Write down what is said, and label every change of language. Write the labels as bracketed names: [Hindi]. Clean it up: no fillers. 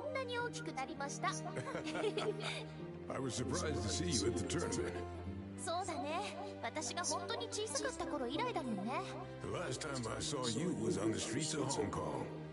[English] I was surprised to see you at the tournament. [Japanese] そうだね。私が本当に小さかった頃以来だもんね。 [English] The last time I saw you was on the streets of Hong Kong.